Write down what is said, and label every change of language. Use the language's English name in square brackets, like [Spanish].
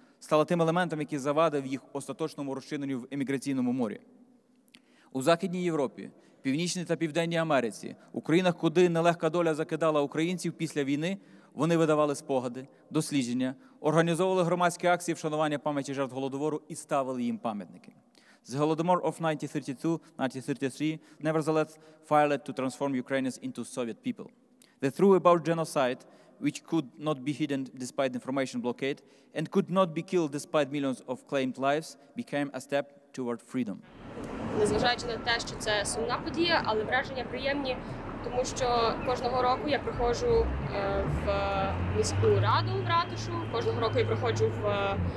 [Ukrainian] Стала тим елементом, який завадив їх остаточному розчиненню в еміграційному морі. У Західній Європі, Північній та Південній Америці, у країнах, куди нелегка доля закидала українців після війни, вони видавали спогади, дослідження, організовували громадські акції вшанування пам'яті жертв Голодомору і ставили їм пам'ятники. [English] The Holodomor of 1932-1933 nevertheless failed to transform Ukrainians into Soviet people. The truth about genocide, which could not be hidden despite information blockade and could not be killed despite millions of claimed lives, became a step toward freedom. [Ukrainian] незважаючи на те, що це сумна подія, але враження приємні, тому що кожного року я приходжу в міську раду в ратушу, кожного року я приходжу в